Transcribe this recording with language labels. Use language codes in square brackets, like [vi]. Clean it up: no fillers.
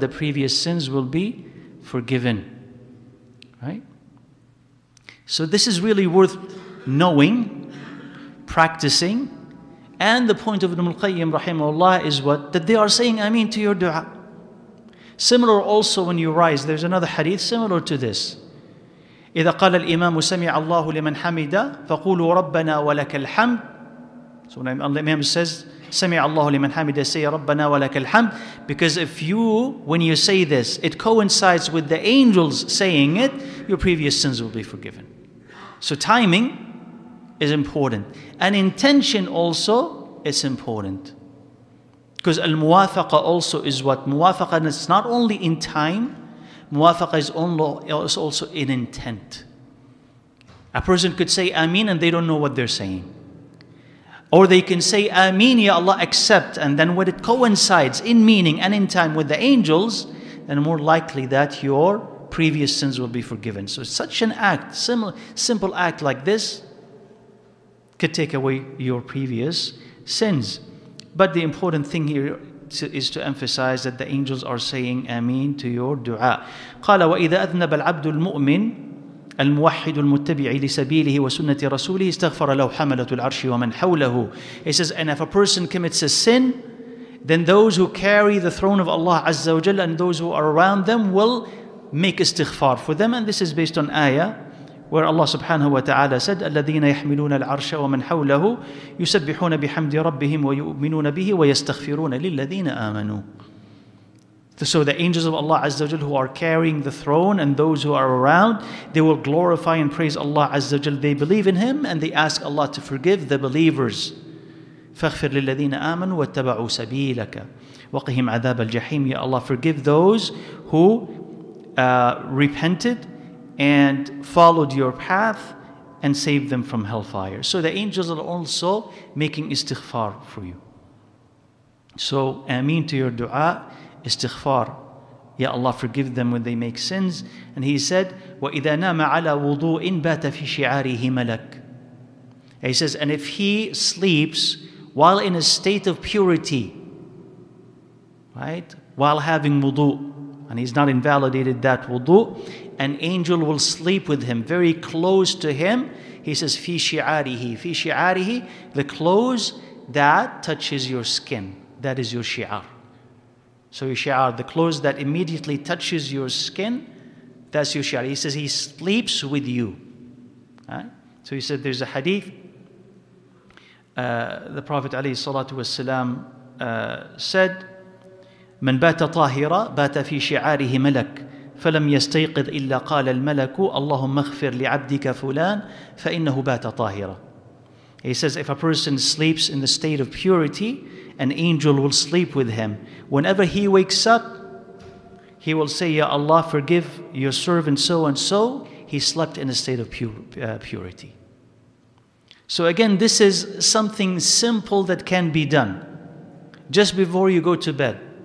[en] The previous sins will be forgiven. Right? So this is really worth knowing, practicing. And the point of Ibn al-Qayyim rahimahullah is what? That they are saying ameen to your dua. Similar also when you rise, there's another hadith similar to this. [ar] إذا قال الإمام سمع الله لمن حمدا فقولوا ربنا ولك الحمد. [en] So when the Imam says [ar] سمع الله لمن حمدا [en] say [ar] ربنا ولك الحمد, [en] because if you, when you say this, it coincides with the angels saying it, your previous sins will be forgiven. So timing is important, and intention also is important, because الموافقة also is what موافقة, and it's not only in time. Muwafaqah is also in intent. A person could say Ameen and they don't know what they're saying. Or they can say Ameen, Ya Allah, accept. And then when it coincides in meaning and in time with the angels, then more likely that your previous sins will be forgiven. So such an act, simple act like this, could take away your previous sins. But the important thing here is to emphasize that the angels are saying Ameen to your dua. [ar] قال وإذا أذنب العبد المؤمن الموحد المتبع لسبيله وسنة رسوله استغفر له حملة العرش ومن حوله. [en] He says, and if a person commits a sin, then those who carry the throne of Allah Azza wa Jalla and those who are around them will make istighfar for them. And this is based on ayah where Allah subhanahu wa ta'ala said, [ar] الَّذِينَ يَحْمِلُونَ الْعَرْشَ وَمَنْ حَوْلَهُ يُسَبِّحُونَ بِحَمْدِ رَبِّهِمْ وَيُؤْمِنُونَ بِهِ وَيَسْتَغْفِرُونَ لِلَّذِينَ آمَنُوا. [en] So the angels of Allah Azza wa Jal who are carrying the throne and those who are around, they will glorify and praise Allah Azza wa Jal. They believe in Him and they ask Allah to forgive the believers. [ar] فَاغْفِرْ لِلَّذِينَ آمَنُوا وَاتَّبَعُوا سَبِيلَكَ وَقِهِمْ عَذَابَ الْجَحِيمِ. [en] Ya Allah, forgive those who repented and followed your path and saved them from hellfire. So the angels are also making istighfar for you. So Ameen to your dua, istighfar. Ya Allah, forgive them when they make sins. And he said, [ar] وَإِذَا نَامَ عَلَى وُضُوءٍ بَاتَ فِي شِعَارِهِ مَلَكٍ. [en] He says, and if he sleeps while in a state of purity, right, while having wudu, and he's not invalidated that wudu, an angel will sleep with him, very close to him. He says, fi shi'arihi, the clothes that touches your skin, that is your shi'ar. So your shi'ar, the clothes that immediately touches your skin, that's your shi'ar. He says, he sleeps with you. Right? So he said, there's a hadith. The Prophet alayhi salatu wasalam said, [ar] من بات طاهرا بات في شعاره ملك فلم يستيقظ إلا قال الملك اللهم اغفر لعبدك فلان فإنه بات طاهرا. [en] He says, if a person sleeps in the state of purity, an angel will sleep with him. Whenever he wakes up, he will say, Ya Allah, forgive your servant so and so. He slept in a state of purity. So again, this is something simple that can be done just before you go to bed.